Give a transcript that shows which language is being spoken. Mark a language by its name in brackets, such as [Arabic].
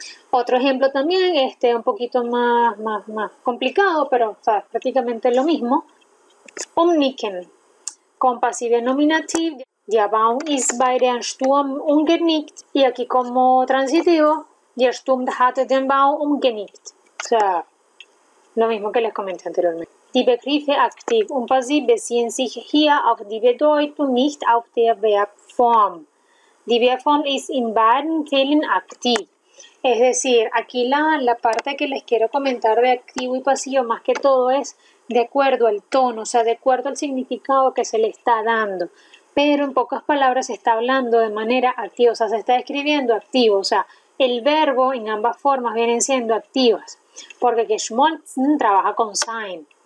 [Spanish] Otro ejemplo también, un poquito más complicado, pero o sea, es prácticamente lo mismo. [German] Umnicken, [Spanish] con pasivo nominativo, [German] der Baum ist bei dem Sturm umgenickt, [Spanish] y aquí como transitivo, [German] der Sturm hat den Baum umgenickt. [Spanish] O sea, lo mismo que les comenté anteriormente. [German] Die Begriffe aktiv und passiv beziehen sich hier auf die Bedeutung, nicht auf der Verbform. Die Verbform ist in beiden Fällen aktiv. [Spanish] Es decir, aquí la parte que les quiero comentar de activo y pasivo más que todo es de acuerdo al tono, o sea, de acuerdo al significado que se le está dando. Pero en pocas palabras se está hablando de manera activa, o sea, se está escribiendo activo, o sea, el verbo en ambas formas vienen siendo activas, porque geschmolzen trabaja con sein.